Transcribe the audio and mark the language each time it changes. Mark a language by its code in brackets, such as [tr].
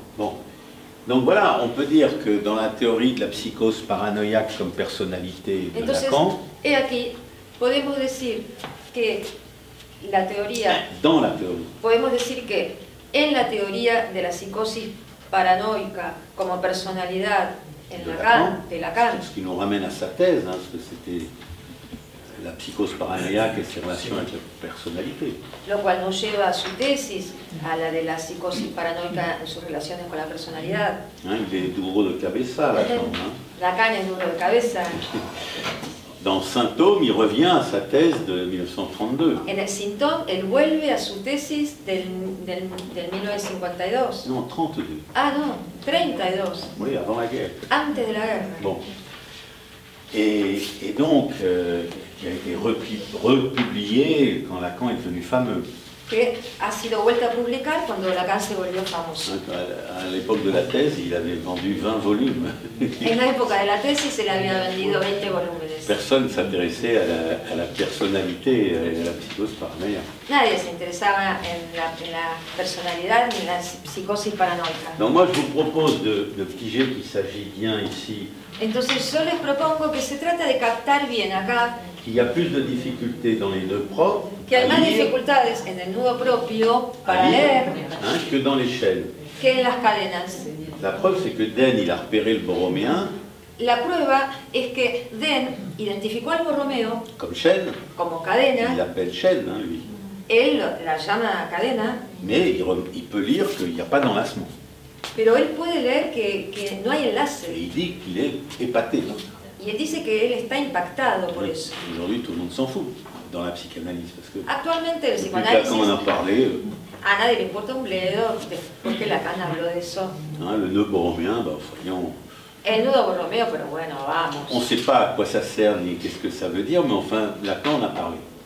[fr] Bon. Donc voilà, on peut dire que dans la théorie de la psychose paranoïaque comme personnalité de [es] Entonces, Lacan. Et aquí podemos decir que la teoría. [fr] Dans la théorie. [es] Podemos decir que en la teoría de la psicosis paranoica como personalidad en de Lacan. [fr] Ce qui nous ramène à sa thèse, hein, parce que c'était. La psychose paranoïaque et ses relations avec la personnalité. [es] Lo cual nos lleva a su tesis, a la de la psicosis paranoica en sus relaciones con la personalidad. [fr] Hein, il est [es] duro de cabeza, Lacan es duro de cabeza. [fr] Dans Symptôme, il revient à sa thèse de 1932. [es] En el Symptôme, él vuelve a su tesis del 1952. [fr] Non, 32. [es] Ah, non, 32. [fr] Oui, avant la guerre. [es] Antes de la guerre. [fr] Bon. Et donc, qui a été republié quand Lacan est devenu fameux. [es] Que ha sido vuelta a publicar cuando Lacan se volvió famoso. [fr] À l'époque de la thèse, il avait vendu 20 volumes. [es] En la época de la tesis, él había vendido 20 volúmenes. [fr] Personne ne s'intéressait à la personnalité et à la psychose paranoïaque. [es] Nadie se interesaba en la personnalidad ni la psicosis paranoica. [fr] Donc moi, je vous propose de piger qu'il s'agit bien ici. [es] Entonces yo les propongo que se trata de captar bien acá. [fr] Qu'il y a plus de difficultés dans les nœuds propres. [es] Que hay más dificultades en el nudo propio para leer. [fr] Hein, que dans les chaînes. [es] Que en las cadenas. [fr] La preuve c'est que Den il a repéré le borroméen. [es] La prueba es que Den identificó al borromeo. [fr] Comme chaîne. [es] Como cadena. [fr] Il l'appelle chaîne, hein, lui. [es] Él la llama cadena. [fr] Mais il peut lire qu'il n'y a pas d'enlacement. [es] Pero él puede leer que no hay enlace. [fr] Et il dit qu'il est épaté. [es] Y él dice que él está impactado por eso. [fr] Aujourd'hui, tout le monde s'en fout dans la psychanalyse. Parce que [es] actualmente, el psicoanálisis. [fr] Lacan en a parlé. [es] A nadie le importa un bledo, porque Lacan habló de eso. [fr] Hein, le nœud borroméen, ben, voyons. [es] El nudo borromeo, pero bueno, vamos. [fr] On ne sait pas à quoi ça sert ni qu'est-ce que ça veut dire, mais enfin, Lacan en a parlé.